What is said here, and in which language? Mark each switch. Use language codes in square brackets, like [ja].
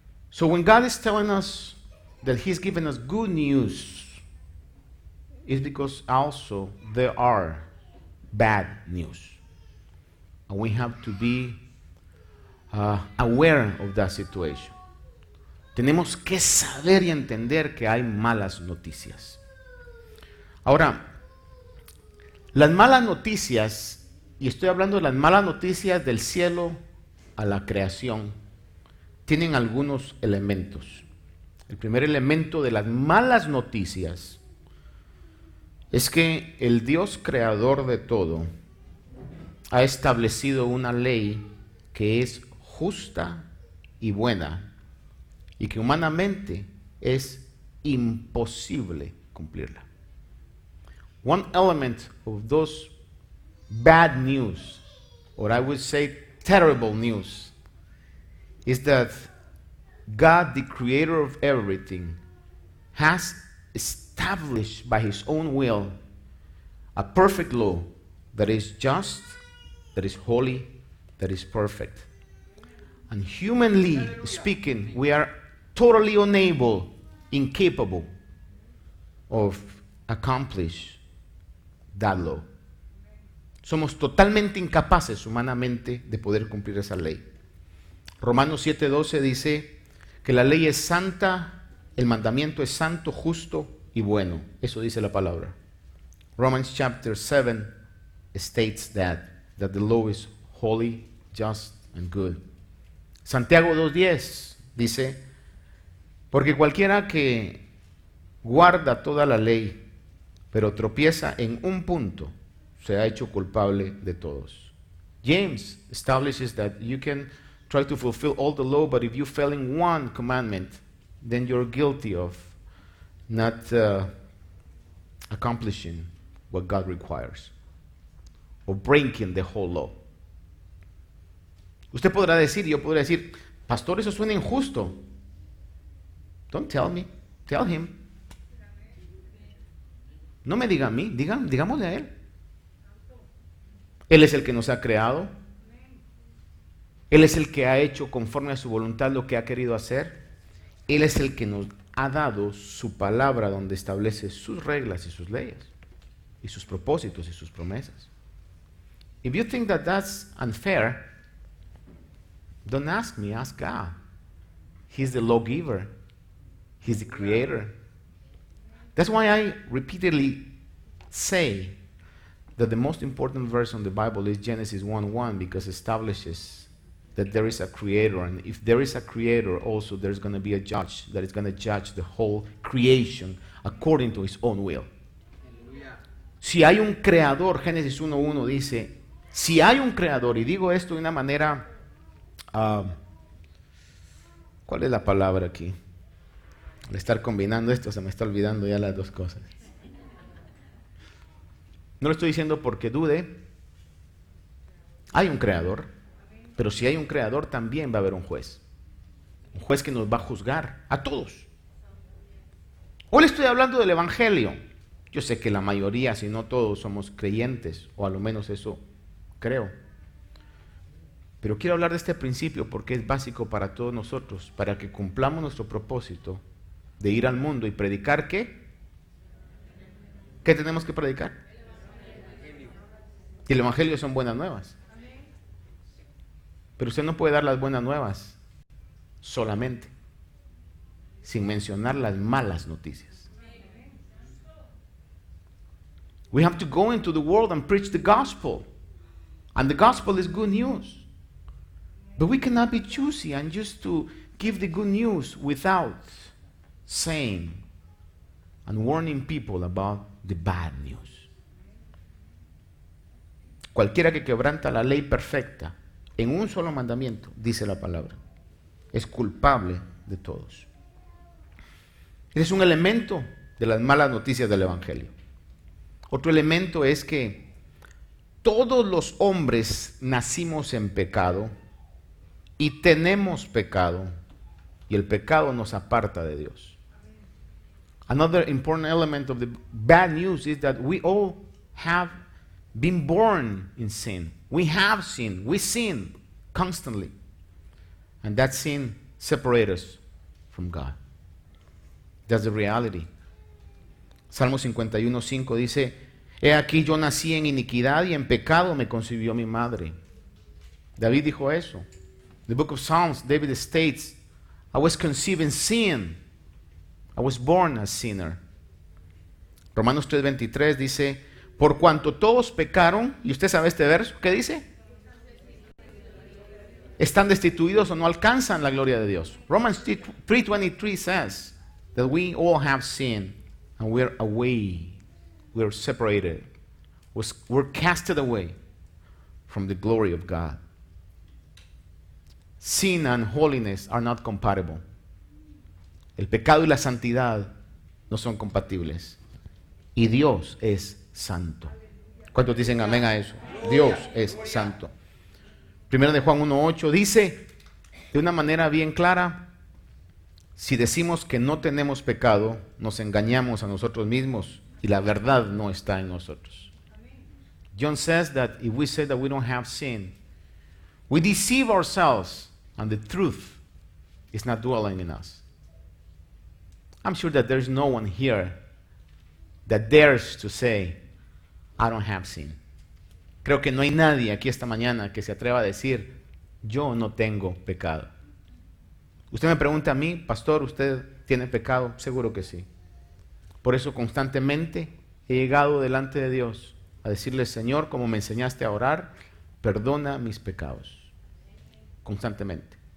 [en] So when God is telling us that He's given us good news, it's because also there are bad news. And we have to be aware of that situation. [es] Tenemos que saber y entender que hay malas noticias. Ahora, las malas noticias, y estoy hablando de las malas noticias del cielo a la creación, tienen algunos elementos. El primer elemento de las malas noticias es que el Dios creador de todo ha establecido una ley que es justa y buena y que humanamente es imposible cumplirla. [en] One element of those bad news, or I would say terrible news, is that God, the creator of everything, has established by his own will a perfect law that is just, that is holy, that is perfect. And humanly speaking, we are totally unable, incapable of accomplishing that law. [es] Somos totalmente incapaces humanamente de poder cumplir esa ley. Romanos 7:12 dice que la ley es santa, el mandamiento es santo, justo y bueno. Eso dice la palabra. [en] Romans chapter 7 states that the law is holy, just and good. [es] Santiago 2:10 dice, porque cualquiera que guarda toda la ley pero tropieza en un punto, se ha hecho culpable de todos. [en] James establishes that you can try to fulfill all the law, but if you fail in one commandment, then you're guilty of not accomplishing what God requires, or breaking the whole law. [es] Usted podrá decir, yo podría decir, pastor, eso suena injusto. [en] Don't tell me, tell him. [es] No me diga a mí, digámosle a Él. Él es el que nos ha creado. Él es el que ha hecho conforme a su voluntad lo que ha querido hacer. Él es el que nos ha dado su palabra donde establece sus reglas y sus leyes y sus propósitos y sus promesas. [en] If you think that that's unfair, don't ask me, ask God. He's the lawgiver. He's the creator. That's why I repeatedly say that the most important verse in the Bible is Genesis 1:1, because it establishes that there is a creator, and if there is a creator, also there's going to be a judge that is going to judge the whole creation according to his own will. Hallelujah. [es] Si hay un creador, Génesis 1:1 dice, si hay un creador, y digo esto de una manera, ¿cuál es la palabra aquí? Al estar combinando esto, se me está olvidando ya las dos cosas. No lo estoy diciendo porque dude. Hay un creador. Pero si hay un creador, también va a haber un juez. Un juez que nos va a juzgar a todos. Hoy le estoy hablando del Evangelio. Yo sé que la mayoría, si no todos, somos creyentes. O al menos eso creo. Pero quiero hablar de este principio porque es básico para todos nosotros. Para que cumplamos nuestro propósito de ir al mundo y predicar, ¿qué? ¿Qué tenemos que predicar? El Y el Evangelio son buenas nuevas. Pero usted no puede dar las buenas nuevas solamente, sin mencionar las malas noticias. [en] We have to go into the world and preach the gospel. And the gospel is good news. But we cannot be choosy and just to give the good news without saying and warning people about the bad news. [es] Cualquiera que quebranta la ley perfecta en un solo mandamiento, dice la palabra, es culpable de todos. Es un elemento de las malas noticias del Evangelio. Otro elemento es que todos los hombres nacimos en pecado y tenemos pecado, y el pecado nos aparta de Dios. [en] Another important element of the bad news is that we all have been born in sin. We have sinned. We sin constantly. And that sin separates us from God. That's the reality. [es] Salmo 51:5 dice, he aquí yo nací en iniquidad y en pecado me concibió mi madre. David dijo eso. [en] The book of Psalms, David states, I was conceived in sin. I was born a sinner. [es] Romanos 3:23 dice, por cuanto todos pecaron, y usted sabe este verso, ¿qué dice? Están destituidos o no alcanzan la gloria de Dios. [en] Romans 3:23 says that we all have sinned and we are away, we are separated, we're casted away from the glory of God. Sin and holiness are not compatible. [es] El pecado y la santidad no son compatibles. Y Dios es santo. ¿Cuántos dicen amén a eso? Dios es santo. Primero de Juan 1:8 dice de una manera bien clara, si decimos que no tenemos pecado, nos engañamos a nosotros mismos y la verdad no está en nosotros. [en] John says that if we say that we don't have sin, we deceive ourselves and the truth is not dwelling in us. I'm sure that there's no one here that dares to say, I don't have sin. [es] Creo que no hay nadie aquí esta mañana que se atreva a decir, yo no tengo pecado. Usted me pregunta a mí, pastor, ¿usted tiene pecado? Seguro que sí. Por eso constantemente he llegado delante de Dios a decirle, Señor, como me enseñaste a orar, perdona mis pecados. Constantemente.